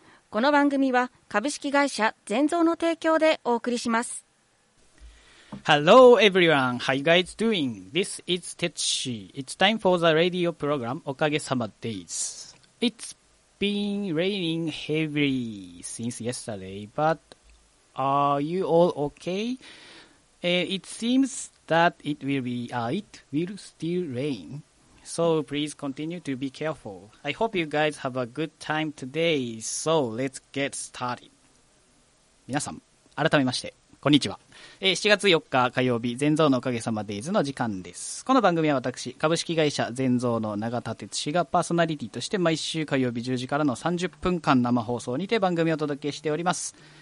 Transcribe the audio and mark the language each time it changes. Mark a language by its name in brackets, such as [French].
[Japanese] この番組は株式会社ゼンゾーの提供でお送りします。 [English] Hello everyone, how you guys doing? This is Tetsushi. It's time for the radio program おかげさまデイズ。 It's been raining heavily since yesterday, but are you all okay? It seems that it will still rain. So please continue to be careful. I hope you guys have a good time today. So let's get started. [Japanese] 皆さん、改めまして、こんにちは。7月4日火曜日、全蔵のおかげさまデイズの時間です。この番組は私、株式会社全蔵の永田哲司がパーソナリティとして毎週火曜日10時からの30分間生放送にて番組をお届けしております。